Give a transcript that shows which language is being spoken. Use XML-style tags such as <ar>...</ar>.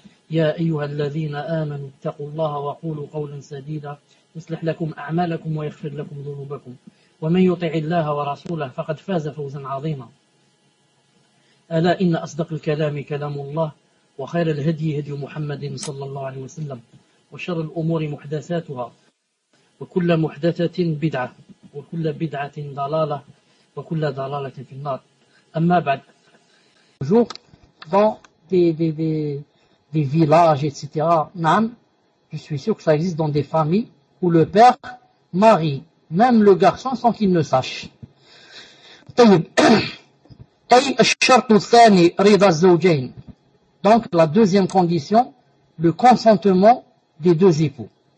<ar>يا أيها الذين آمنوا اتقوا الله وقولوا قولا سديدا يصلح لكم أعمالكم ويغفر لكم ذنوبكم ومن يطع الله ورسوله فقد فاز فوزا عظيما. ألا إن أصدق الكلام كلام الله وخير الهدي هدي محمد صلى الله عليه وسلم وشر الأمور محدثاتها وكل محدثة بدعة وكل بدعة ضلالة وكل ضلالة في النار. أما بعد،</ar> <fr>toujours dans des villages etc. نعم، je suis sûr que ça existe dans des familles où le père marie même le garçon sans qu'il ne sache.</fr> <ar>طيب أي الشرط الثاني رضا الزوجين.</ar> <fr>Donc, la deuxième condition, le consentement des deux époux.</fr>